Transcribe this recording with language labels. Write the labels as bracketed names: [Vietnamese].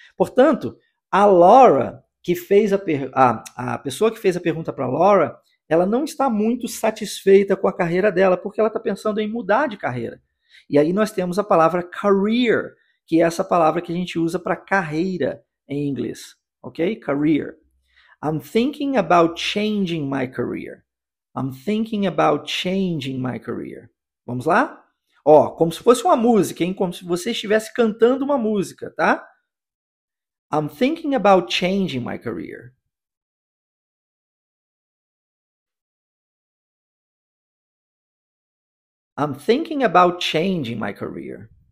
[Portuguese] Portanto, a Laura que fez a pessoa que fez a pergunta para Laura, ela não está muito satisfeita com a carreira dela, porque ela está pensando em mudar de carreira. E aí nós temos a palavra career, que é essa palavra que a gente usa para carreira em inglês. Ok? Career. [English] I'm thinking about changing my career. I'm thinking about changing my career. [Portuguese] Vamos lá? Ó, como se fosse uma música, hein? Como se você estivesse cantando uma música, tá? [English] I'm thinking about changing my career. I'm thinking about changing my career.